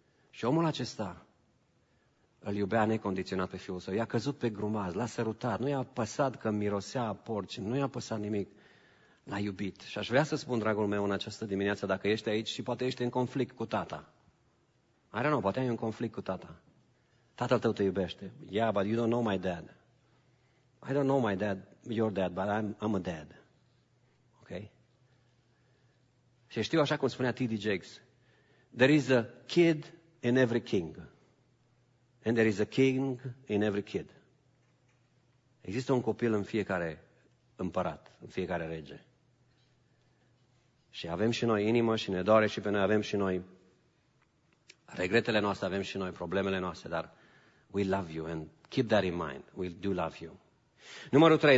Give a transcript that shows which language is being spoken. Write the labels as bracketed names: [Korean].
[Romanian] Și omul acesta îl iubea necondiționat pe fiul său, i-a căzut pe grumaz, l-a sărutat, nu i-a păsat că mirosea porci, nu i-a păsat nimic, l-a iubit. Și aș vrea să spun, dragul meu, în această dimineață, dacă ești aici și poate ești în conflict cu tata. [English] I don't know, [Romanian] poate ai un conflict cu tata. Tatăl tău te iubește. [English] Yeah, but you don't know my dad. I don't know my dad, your dad, but I'm a dad. Ok? [Romanian] Și știu, așa cum spunea T.D. [English] Jakes, there is a kid in every king. And there is a king in every kid. [Romanian] Există un copil în fiecare împărat, în fiecare rege. Și avem și noi inimă și ne doare și pe noi, avem și noi regretele noastre, avem și noi problemele noastre, dar [English] we love you and keep that in mind. We do love you. [Romanian] Numărul 3.